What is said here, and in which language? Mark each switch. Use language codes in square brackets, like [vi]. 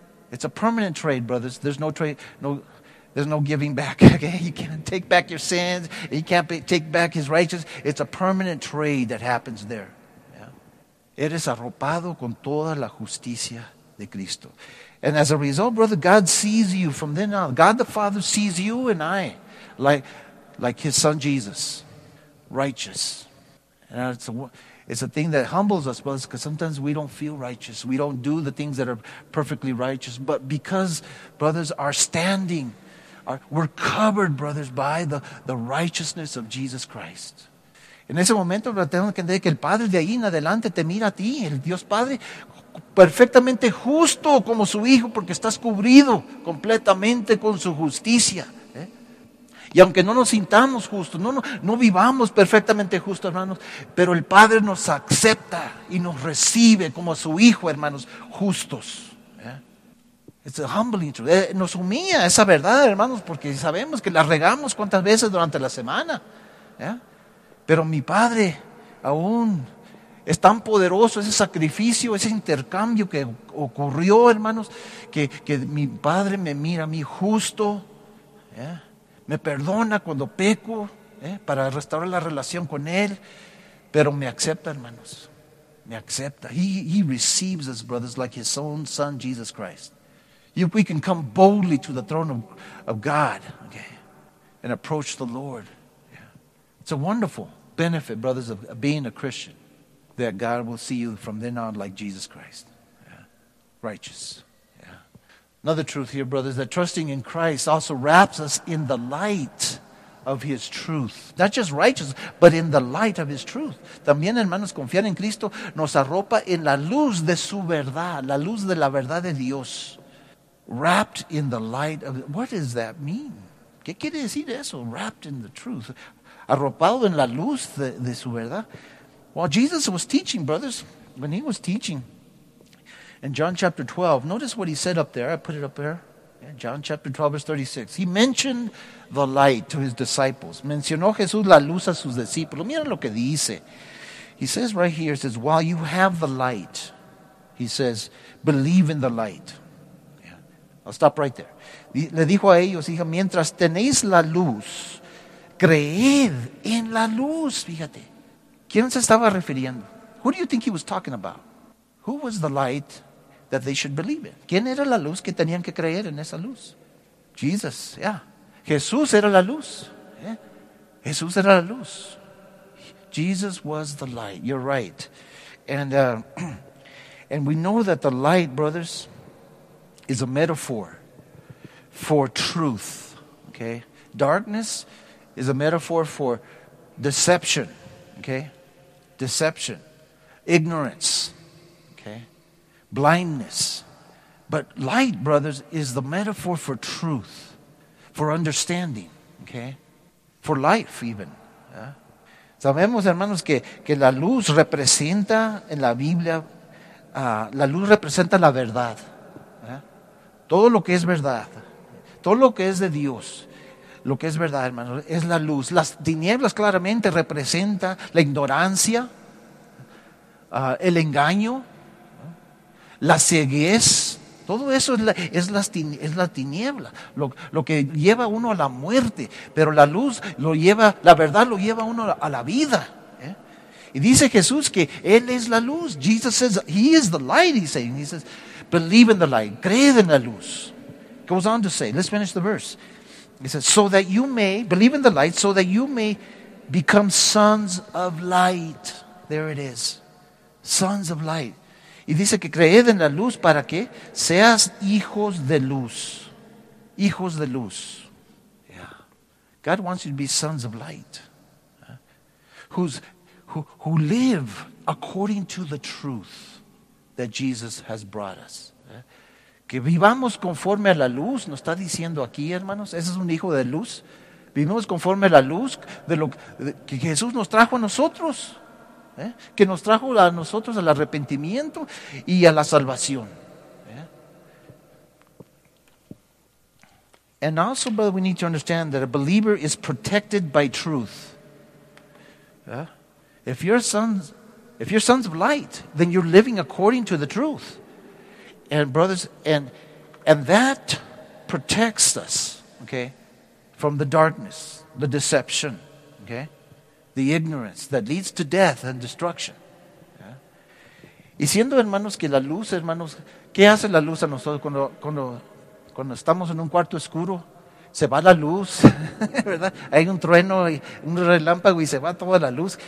[en] It's a permanent trade, brothers. There's no giving back. Okay? You can't take back your sins. You can't take back His righteousness. It's a permanent trade that happens there. Yeah? [es] Eres arropado con toda la justicia de Cristo. [en] And as a result, brother, God sees you from then on. God the Father sees you and I like His Son Jesus, righteous. And it's a thing that humbles us, brothers, because sometimes we don't feel righteous. We don't do the things that are perfectly righteous. But because, brothers, our standing, we're covered, brothers, by the righteousness of Jesus Christ. [es] En ese momento, tenemos que entender que el Padre de ahí en adelante te mira a ti, el Dios Padre, perfectamente justo como su Hijo, porque estás cubrido completamente con su justicia. Y aunque no nos sintamos justos, no vivamos perfectamente justos, hermanos, pero el Padre nos acepta y nos recibe como a su Hijo, hermanos, justos. [en] It's a humbling truth. [es] Nos humilla esa verdad, hermanos, porque sabemos que la regamos cuántas veces durante la semana. ¿Ya? Pero mi Padre aún es tan poderoso, ese sacrificio, ese intercambio que ocurrió, hermanos, que mi Padre me mira a mí justo, ¿ya? Me perdona cuando peco, ¿eh? Para restaurar la relación con Él, pero me acepta, hermanos. Me acepta. [en] He receives us, brothers, like His own Son, Jesus Christ. We can come boldly to the throne of God, okay, and approach the Lord. Yeah. It's a wonderful benefit, brothers, of being a Christian, that God will see you from then on like Jesus Christ, yeah. Righteous. Yeah. Another truth here, brothers, that trusting in Christ also wraps us in the light of His truth. Not just righteous, but in the light of His truth. [es] También, hermanos, confiar en Cristo nos arropa en la luz de su verdad, la luz de la verdad de Dios. [en] Wrapped in the light of, what does that mean? [es] ¿Qué quiere decir eso? [en] Wrapped in the truth. [es] Arropado en la luz de su verdad. [en] While Jesus was teaching, brothers, when He was teaching in John chapter 12, notice what He said up there. I put it up there. Yeah, John chapter 12, verse 36. He mentioned the light to His disciples. [es] Mencionó Jesús la luz a sus discípulos. Mira lo que dice. [en] He says right here, it says, while you have the light, He says, believe in the light. I'll stop right there. [es] Le dijo a ellos, hija, mientras tenéis la luz, creed en la luz. Fíjate. ¿Quién se estaba refiriendo? [en] Who do you think he was talking about? Who was the light that they should believe in? [es] ¿Quién era la luz que tenían que creer en esa luz? Jesus, yeah. Jesús era la luz. Yeah. Jesús era la luz. [en] Jesus was the light. You're right. And and we know that the light, brothers, is a metaphor for truth, okay? Darkness is a metaphor for deception, okay? Deception. ignorance, okay, blindness. But light, brothers, is the metaphor for truth, for understanding, okay, for life even. Yeah? [es] Sabemos, hermanos, que la luz representa en la Biblia, la luz representa la verdad. Yeah? Todo lo que es verdad, todo lo que es de Dios, lo que es verdad, hermano, es la luz. Las tinieblas claramente representan la ignorancia, el engaño, la ceguez. Todo eso es la tiniebla, lo que lleva a uno a la muerte. Pero la luz lo lleva, la verdad lo lleva a uno a la vida. Y dice Jesús que Él es la luz. [en] Jesus says, He is the light, He's saying. He says, believe in the light, [es] creed en la luz. [en] Goes on to say, let's finish the verse. He says, so that you may, believe in the light, so that you may become sons of light. There it is. Sons of light. [es] Y dice que creed en la luz para que seas hijos de luz. Hijos de luz. Yeah. [en] God wants you to be sons of light. Who live according to the truth that Jesus has brought us. [es] Que vivamos conforme a la luz, nos está diciendo aquí, hermanos. Ese es un hijo de luz. Vivimos conforme a la luz de lo que Jesús nos trajo a nosotros. Que nos trajo a nosotros al arrepentimiento y a la salvación. [en] And also, brother, we need to understand that a believer is protected by truth. If you're sons of light, then you're living according to the truth. And brothers, and that protects us, okay, from the darkness, the deception, okay, the ignorance that leads to death and destruction. [es] Yeah. Y siendo hermanos que la luz, hermanos, ¿qué hace la luz a nosotros cuando estamos en un cuarto oscuro? Se va la luz, ¿verdad? Hay un trueno, y un relámpago y se va toda la luz.